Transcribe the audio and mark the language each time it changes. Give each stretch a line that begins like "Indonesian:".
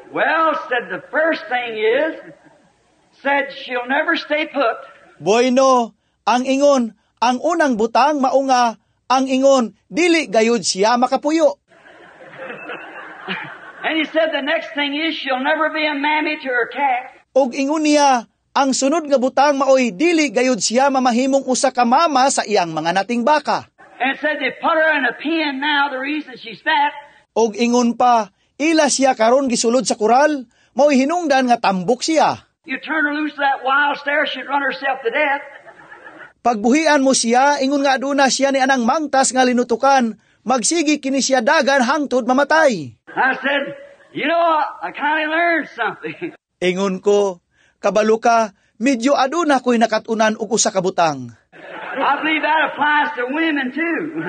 English: Well, said the first thing is, said she'll never stay put.
Cebuano: Bueno, ang ingon, ang unang butang maunga, ang ingon, dili gayud siya makapuyo.
English: And he said the next thing is she'll never be a mammy to her cat.
Cebuano: Og ingon niya, ang sunod nga butang maoy, dili gayud siya mamahimong usa ka mama sa iyang mga nating baka.
English: And said they put her in a pen now, the reason she's fat.
Cebuano: Og ingon pa, ila siya karon gisulod sa kural, maoy hinungdan nga tambok siya.
English: You turn her loose that wild stare, she'd run herself to death.
Cebuano: Pagbuhian mo siya, ingon nga aduna siya ni anang mangtas nga linutukan, magsigi kini siya dagan hangtod mamatay.
English: I said, you know, I kind of learned something.
Cebuano: Ingon ko, kabalo ka, medyo aduna ko'y nakatunan o sa kabutang.
English: I believe that applies to women too.